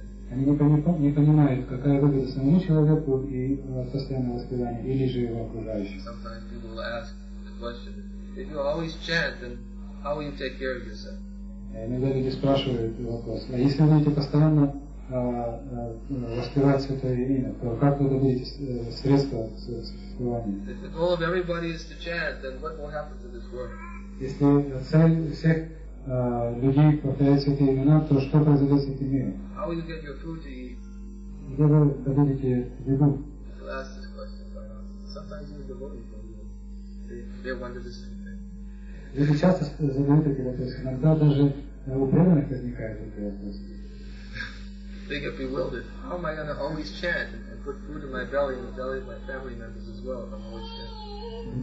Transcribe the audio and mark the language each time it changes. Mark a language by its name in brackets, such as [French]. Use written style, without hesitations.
[Russian] Они не понимают, какая выгода самому человеку и постоянного воспевания, или же его окружающих. [English] Sometimes people will ask the question, if you always chant, then how will you take care of yourself? [Russian] Иногда люди спрашивают вопрос, а если вы будете постоянно воспевать святое имя, то как вы добудете средства своего существования? [English] If the goal of everybody is to chant, then what will happen to this world? [Russian] Если цель всех людей повторяют святые имена, то что произойдет с этим миром? [English] How will you get your food to eat? [Russian] Где вы добудете еду? [English] People ask this question quite often. Sometimes even devotees don't know. They wonder the same thing. [Russian] Люди часто задают эти вопросы. Иногда даже у преданных возникают эти вопросы. [English] They get bewildered. How am I going to always chant and put food in my belly and the belly of my family members as well if I'm always chanting?